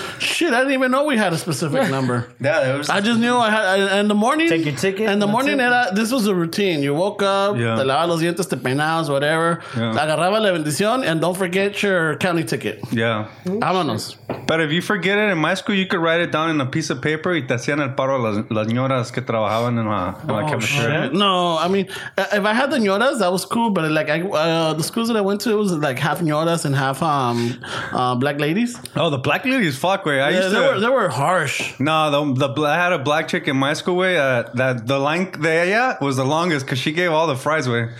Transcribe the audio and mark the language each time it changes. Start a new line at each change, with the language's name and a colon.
English: Shit, I didn't even know we had a specific number. Yeah, I just knew I had. In the morning, take your ticket. In the morning, this was a routine. You woke up,
Spanish: te lavas los dientes, te peinabas,
English: whatever. Yeah.
Spanish: Agarraba la bendición,
English: and don't forget your county ticket. Yeah,
Spanish: vámonos.
English: But if you forget it in my school, you could write it down in a piece of paper.
Spanish: Y te hacían el paro las ñoras que trabajaban en la cafetería.
English: No, I mean, if I had the ñoras, that was cool. But like, the schools that I went to, it was like half ñoras and half black ladies. Oh, the black ladies, fuck way. They were harsh. No, I had a black chick in my school way that the line there was the longest because she gave all the fries away.